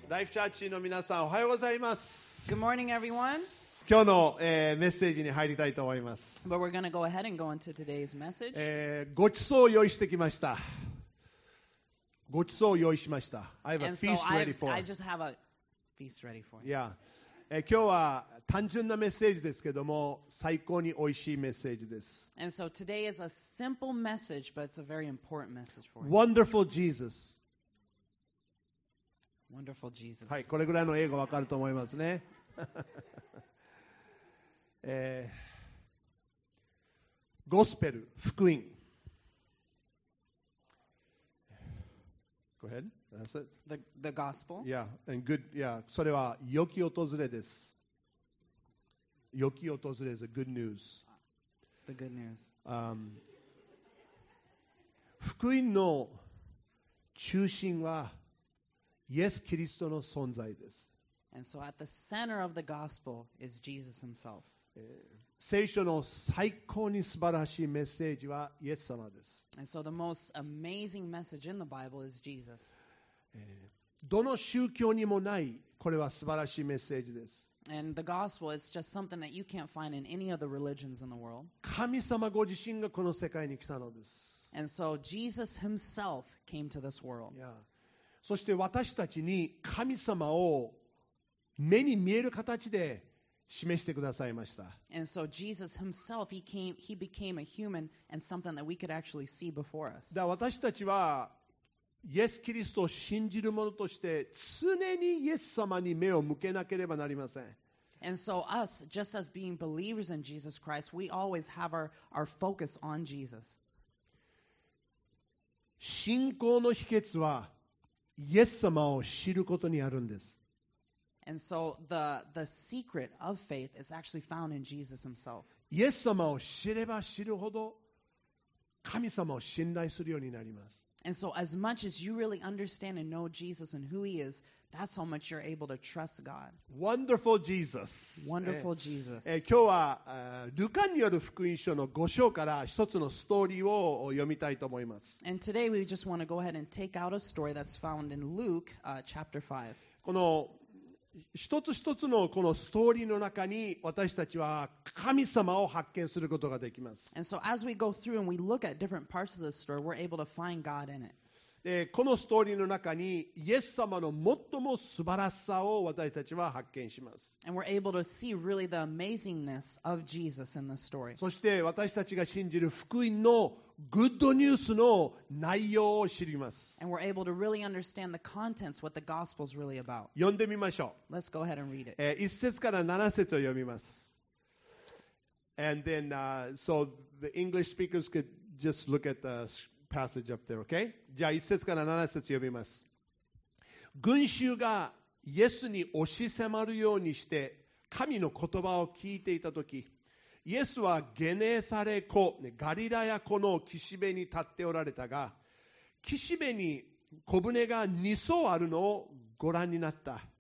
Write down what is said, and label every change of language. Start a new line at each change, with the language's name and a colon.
Japanese: ライフチャーチの皆さん、おはようございます。
English: Good morning, everyone.
Japanese: 今日の、メッセージに入りたいと思います。
English: But we're gonna go ahead and go into today's message.
Japanese: ごちそうを用意してきました。ごちそうを用意しました。
English: I have a feast ready for. I just have a feast ready for. Yeah.
Japanese: 今日は単純なメッセージですけども、最高に美味しいメッセージです。
English: And so today is a simple message, but it's a very important message for you. Wonderful Jesus. Wonderful Jesus.
Japanese: はい、これぐらいの英語わかると思いますね。ゴスペル、福音。
English: Go ahead. That's it. The gospel. Yeah, and good.
Japanese: Yeah, それは良き訪れです。
English: 良き訪れ is a good news. The good news.
Japanese: 福音の中心は。イエス・キリストの存在です。
English: And so at the center of the gospel is Jesus himself.
Japanese: 聖書の最高に素晴らしいメッセージはイエス様です。
English: And so the most amazing message in the Bible is Jesus.
Japanese: どの宗教にもない、これは素晴らしいメッセージです。
English: And the gospel is just something that you can't find in any of the religions in the world.
Japanese: 神様ご自身がこの世界に来たのです。
English: And so Jesus himself came to this world. Yeah.
Japanese: そして私たちに神様を目に見える形で示してくださいました。
English: And so Jesus himself, he became a human and something that we could actually see before us.
Japanese: だから私たちはイエス・キリストを信じる者として常にイエス様に目を向けなければなりません。
English: And so us, just as being believers in Jesus Christ, we always have our focus on Jesus.
Japanese: 信仰の秘訣はイエス様を知ることにあるんです。
English: And so the secret of faith is actually found in Jesus himself.
Japanese: イエス様を知れば知るほど神様を信頼するようになります。
English: And so as much as you really understand and know Jesus and who he is, that's how much you're able to trust God. Wonderful Jesus. Wonderful Jesus.
Japanese: 今日は、ルカによる福音書の5章から一つのストーリーを読みたいと思います。
English: And today we just want to go ahead and take out a story that's found in Luke, chapter 5.
Japanese: この一つ一つのこのストーリーの中に私たちは神様を発見することができます。
English: And so as we go through and we look at different parts of the story, we're able to find God in it.
Japanese: このストーリーの中にイエス様の最も素晴らしさを私たちは発見します。
English: And we're able to see really the amazingness of Jesus in the story.
Japanese: そして私たちが信じる福音のグッドニュースの内容を知ります。
English: And we're able to really understand the contents, what the gospel is really about.
Japanese: 読んでみましょう。
English: Let's go ahead and read it.
Japanese: 一節から七節を読みます。
English: And then, so the English speakers could just look at the passage up there, okay?
Japanese: じゃあ1節から7節読みます。群衆がイエスに押し迫るようにして神の言葉を聞いていたとき、イエスはゲネサレ湖、ガリラヤ湖の岸辺に立っておられたが、岸辺に小舟が2艘あるのをご覧になった。